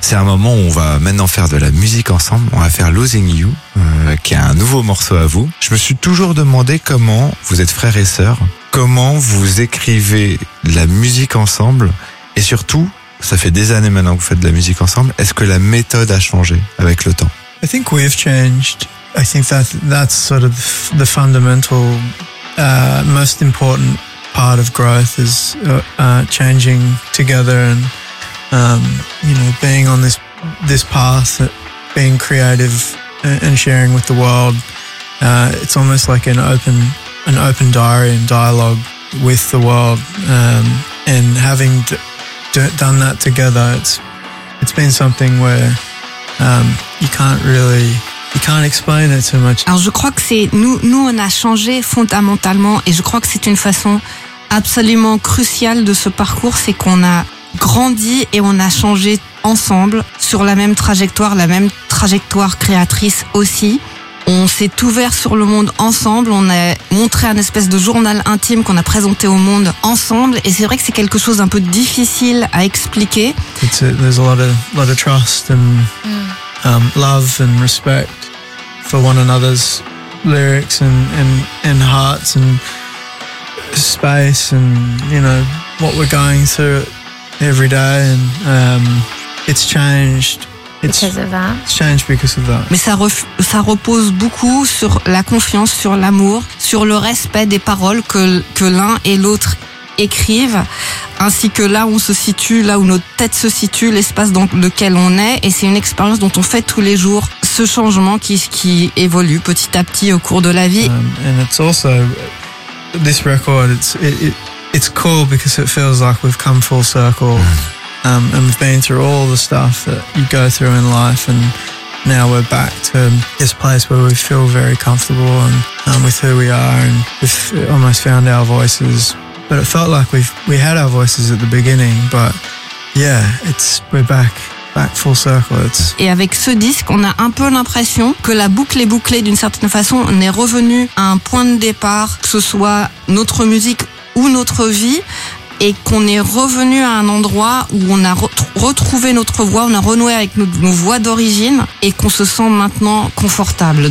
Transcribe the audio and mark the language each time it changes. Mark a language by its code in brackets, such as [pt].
[fr] C'est un moment où on va maintenant faire de la musique ensemble. On va faire Losing You, qui est un nouveau morceau à vous. Je me suis toujours demandé comment vous êtes frères et sœurs, comment vous écrivez la musique ensemble et surtout, ça fait des années maintenant que vous faites de la musique ensemble. Est-ce que la méthode a changé avec le temps? [en] I think we've changed. I think that's sort of the fundamental, most important part of growth is changing together and you know, being on this path, being creative and sharing with the world. It's almost like an open diary and dialogue with the world, and having done that together, it's been something where you can't explain it too much. [fr] Alors je crois que c'est nous on a changé fondamentalement, et je crois que c'est une façon absolument cruciale de ce parcours, c'est qu'on a grandi et on a changé ensemble sur la même trajectoire créatrice aussi. On s'est ouvert sur le monde ensemble, on a montré un espèce de journal intime qu'on a présenté au monde ensemble, et c'est vrai que c'est quelque chose d'un peu difficile à expliquer. [en] There's a lot of trust and love and respect for one another's lyrics and hearts and space and, you know, what we're going through every day. And it's changed. Because of that. Change because of that. [fr] Mais ça repose beaucoup sur la confiance, sur l'amour, sur le respect des paroles que l'un et l'autre écrivent, ainsi que là où on se situe, là où notre tête se situe, l'espace dans lequel on est. Et c'est une expérience dont on fait tous les jours ce changement qui évolue petit à petit au cours de la vie. [en] And it's also this record. It's cool because it feels like we've come full circle. And we've been through all the stuff that you go through in life, and now we're back to this place where we feel very comfortable and with who we are, and we've almost found our voices. But it felt like we had our voices at the beginning, but yeah, we're back full circle. [fr] Et avec ce disque, on a un peu l'impression que la boucle est bouclée d'une certaine façon. On est revenu à un point de départ, que ce soit notre musique ou notre vie. Et qu'on est revenu à un endroit où on a retrouvé notre voix, on a renoué avec nos voix d'origine et qu'on se sent maintenant confortable.